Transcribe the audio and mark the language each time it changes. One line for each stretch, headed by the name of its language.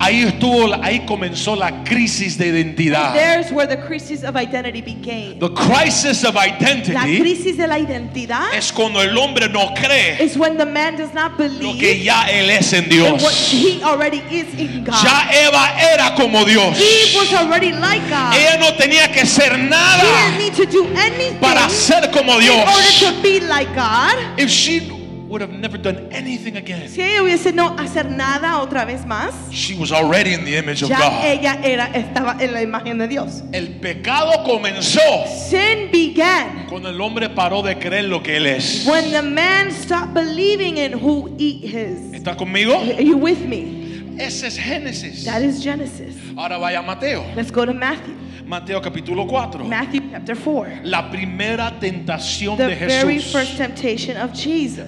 Spanish: Ahí estuvo, ahí comenzó la crisis de identidad.
English: And there's where the crisis of identity began. The crisis of identity.
Spanish: La crisis de la identidad. Es cuando el hombre no cree.
English: Is when the man does not believe.
Spanish: Lo que ya él es en Dios.
English: What he already is in God.
Spanish: Ya Eva era como Dios.
English: Eve was already like God.
Spanish: Ella no tenía que ser nada.
English: She didn't need to do anything.
Spanish: Para ser como Dios.
English: In order to be like God. If she would have never done anything again.
Spanish: Si ella hubiese no hacer nada otra vez más.
English: She was already in the image of
Spanish: ya
English: God.
Spanish: Ella era, estaba en la imagen de Dios. El pecado comenzó.
English: Sin began.
Spanish: Cuando el hombre paró de creer lo que él es.
English: When the man stopped believing in who he is.
Spanish: ¿Está conmigo?
English: Are you with me?
Spanish: Ese es Génesis.
English: That is Genesis.
Spanish: Ahora vaya a Mateo.
English: Let's go to Matthew.
Spanish: Mateo capítulo 4.
English: Matthew chapter 4.
Spanish: La primera tentación
English: the
Spanish: de Jesús.
English: The very first temptation of Jesus.